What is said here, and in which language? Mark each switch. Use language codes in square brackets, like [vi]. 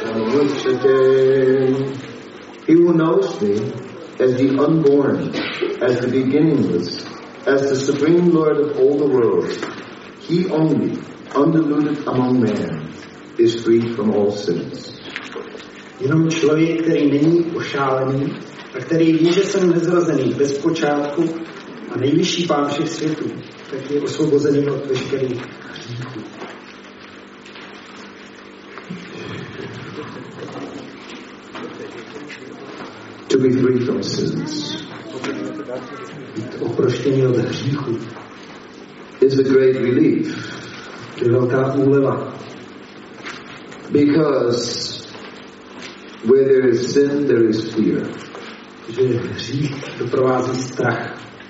[en] He who knows me as the unborn, as the beginningless, as the Supreme Lord of all the world, he only, undiluted among men, is free from all sins. [cs] Jenom člověk, který není ošálený, a který ví, že jsem nezrozený bez počátku a nejvyšší pán všech světů, tak je osvobozený od veškerých hříchů. [en] To be free from sins, [cs] oproštění od hříchu, [en] is a great relief, [cs] je velká úleva. [en] Because where there is sin, there is fear. [cs] Že hřích doprovází strach.